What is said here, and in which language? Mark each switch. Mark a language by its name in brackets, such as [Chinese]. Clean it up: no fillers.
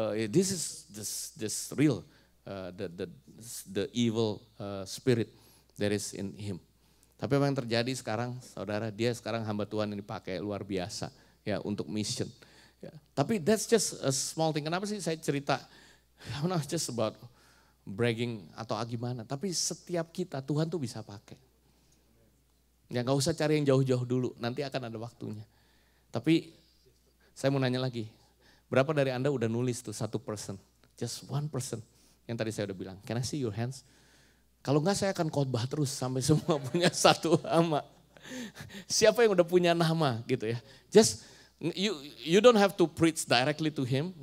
[English] This is just real, the evil spirit that is in him. [Indonesian] Tapi apa yang terjadi sekarang, saudara, dia sekarang hamba Tuhan yang dipakai luar biasa ya untuk mission. Ya. Tapi [English] that's just a small thing. [Indonesian] Kenapa sih saya cerita? [English] I'm not just about bragging [Indonesian] atau gimana. Tapi setiap kita, Tuhan tuh bisa pakai. Ya gak usah cari yang jauh-jauh dulu, nanti akan ada waktunya. Tapi saya mau nanya lagi, berapa dari Anda udah nulis tuh 1%? [English] Just 1% [Indonesian] yang tadi saya udah bilang, [English] can I see your hands? [Indonesian] Kalau enggak saya akan khotbah terus sampai semua punya satu nama. Siapa yang udah punya nama gitu ya. [English] Just you don't have to preach directly to him.